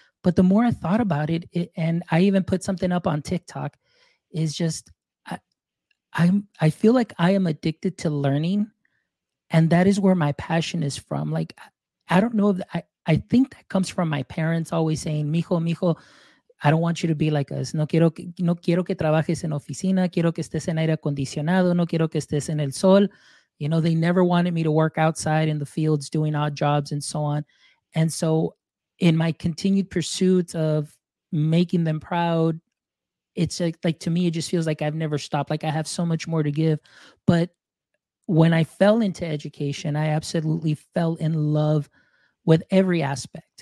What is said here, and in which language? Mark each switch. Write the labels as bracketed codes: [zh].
[en] But the more I thought about it, and I even put something up on TikTok, is just, I feel like I am addicted to learning. And that is where my passion is from. Like, I don't know if that, I think that comes from my parents always saying, mijo, I don't want you to be like us. [es] No quiero que trabajes en oficina. Quiero que estés en aire acondicionado. No quiero que estés en el sol. [en] You know, they never wanted me to work outside in the fields doing odd jobs and so on. And so in my continued pursuit of making them proud, it's like to me, it just feels like I've never stopped. Like I have so much more to give. But when I fell into education, I absolutely fell in love with every aspect.